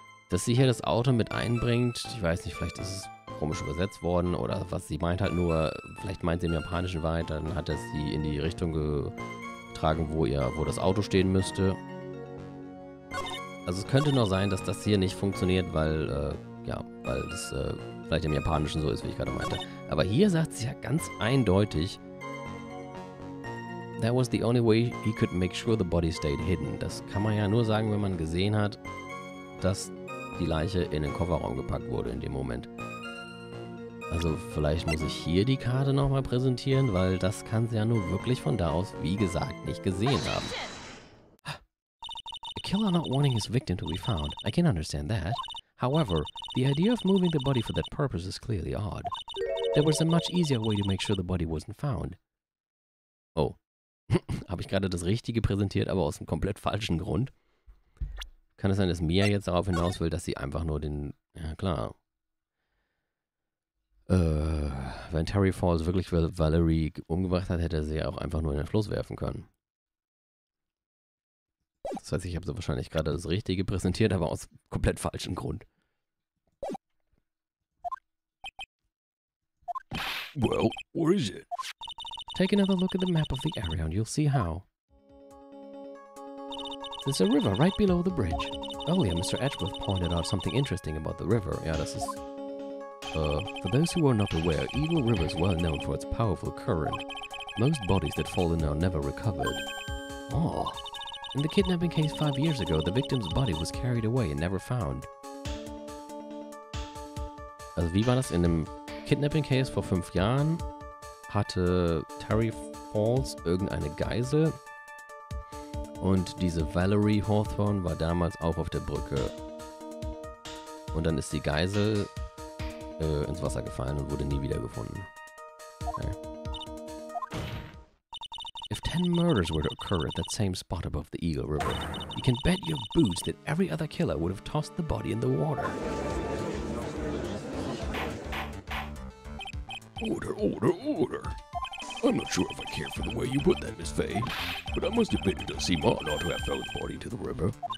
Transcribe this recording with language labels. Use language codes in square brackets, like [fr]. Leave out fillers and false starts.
[de] Dass sie hier das Auto mit einbringt, ich weiß nicht, vielleicht ist es komisch übersetzt worden oder was sie meint halt nur, vielleicht meint sie im Japanischen weit, dann hat er sie in die Richtung getragen, wo das Auto stehen müsste. Also es könnte nur sein, dass das hier nicht funktioniert, weil, ja, weil das vielleicht im Japanischen so ist, wie ich gerade meinte. Aber hier sagt sie ja ganz eindeutig, [en] that was the only way he could make sure the body stayed hidden. [de] Das kann man ja nur sagen, wenn man gesehen hat, dass die Leiche in den Kofferraum gepackt wurde in dem Moment. Also vielleicht muss ich hier die Karte nochmal präsentieren, weil das kann sie ja nur wirklich von da aus, wie gesagt, nicht gesehen haben. [en] A killer not wanting his victim to be found. I can understand that. However, the idea of moving the body for that purpose is clearly odd. There was a much easier way to make sure the body wasn't found. Oh. [de] Habe ich gerade das Richtige präsentiert, aber aus einem komplett falschen Grund? Kann es sein, dass Mia jetzt darauf hinaus will, dass sie einfach nur den... Ja, klar. Wenn Terry Falls wirklich Valerie umgebracht hat, hätte er sie ja auch einfach nur in den Fluss werfen können. Das heißt, ich habe so wahrscheinlich gerade das Richtige präsentiert, aber aus komplett falschem Grund. [en] Well, where is it? Take another look at the map of the area and you'll see how. There's a river right below the bridge. Earlier, Mr. Edgeworth pointed out something interesting about the river. [de] Ja, das ist... [en] For those who are not aware, Evil River is well known for its powerful current. Most bodies that fall in are never recovered. Oh. In the kidnapping case 5 years ago, the victim's body was carried away and never found. [de] Also, wie war das in dem Kidnapping-Case vor 5 Jahren? hatte Terry Falls irgendeine Geisel. Und diese Valerie Hawthorne war damals auch auf der Brücke. Und dann ist die Geisel ins Wasser gefallen und wurde nie wiedergefunden. Okay. [en] If 10 murders were to occur at that same spot above the Eagle River, you can bet your boots that every other killer would have tossed the body in the water. Order, order, order. I'm not sure if I care for the way you put that, Miss Faye, but I must admit it does seem odd not to have thrown the body into the river.